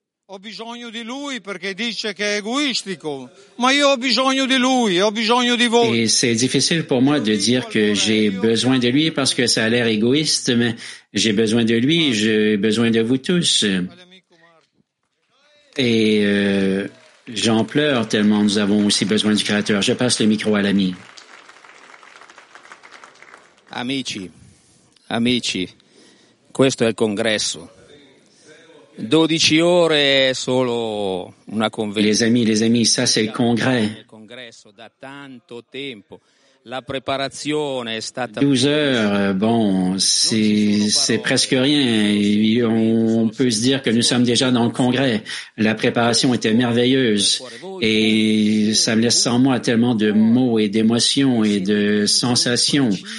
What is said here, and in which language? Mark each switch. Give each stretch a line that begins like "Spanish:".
Italian: Ho bisogno di lui perché dice che è egoistico. Ma io ho bisogno di lui, ho bisogno di voi.
French: Et c'est difficile pour moi de dire que j'ai besoin de lui parce que ça a l'air égoïste, mais j'ai besoin de lui, j'ai besoin de vous tous. Et j'en pleure tellement nous avons aussi besoin du Créateur. Je passe le micro à l'ami.
Italian: Amici, amici, questo è il congresso. 12 ore è solo una convenzione.
French: Les amis, ça c'est le congrès.
Italian: Il congresso da tanto tempo. La preparazione è stata
French: 12 heures, bon, c'est presque rien. On peut se dire que nous sommes déjà dans le congrès. La préparation était merveilleuse et ça me laisse sans moi tellement de mots et d'émotions et de sensations.